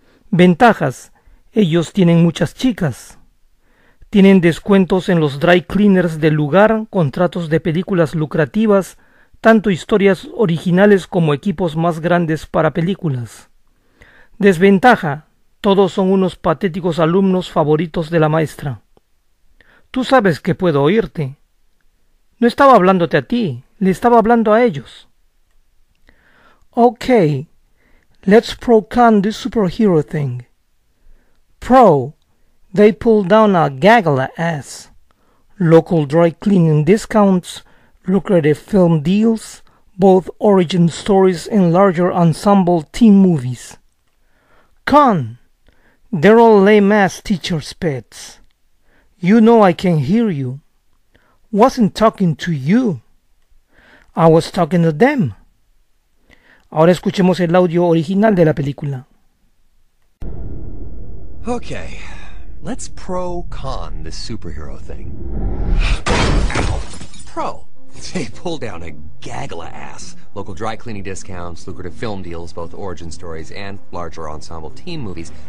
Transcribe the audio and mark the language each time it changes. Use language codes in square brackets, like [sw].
[es] Ventajas: ellos tienen muchas chicas. Tienen descuentos en los dry cleaners del lugar, contratos de películas lucrativas, tanto historias originales como equipos más grandes para películas. Desventaja: todos son unos patéticos alumnos favoritos de la maestra. Tú sabes que puedo oírte. No estaba hablándote a ti, le estaba hablando a ellos. [en] Ok, let's pro-con this superhero thing. Pro, they pull down a gaggle ass. Local dry cleaning discounts, lucrative film deals, both origin stories and larger ensemble team movies. Con, they're all lame-ass teacher's pets. You know I can hear you. Wasn't talking to you. I was talking to them. [es] Ahora escuchemos el audio original de la película. [en] Okay, let's pro-con this superhero thing. Ow. Pro, they pull down a gaggle of ass. Local dry cleaning discounts, lucrative film deals, both origin stories and larger ensemble team movies.